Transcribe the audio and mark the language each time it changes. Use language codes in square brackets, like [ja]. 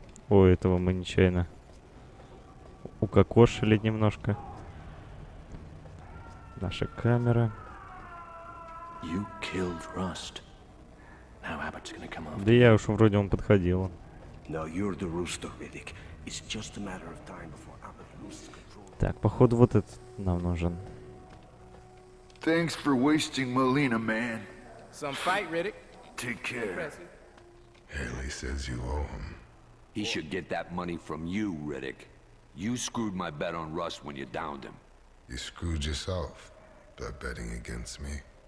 [ru] О, этого мы нечаянно укокошили немножко. Наша камера. [en] You killed Rust. Now Abbott's gonna come after. [ru] Да я уж вроде он подходил. [en] No, you're the rooster, Riddick. It's just a matter of time before Abbott loses control. [ru] Так, походу вот этот нам нужен. [en] Thanks for wasting Molina, man. Some fight, Riddick. Take care. Haley says you owe him. He should get that money from you, Riddick. You screwed my bet on Rust when you downed him. You screwed yourself by betting against me.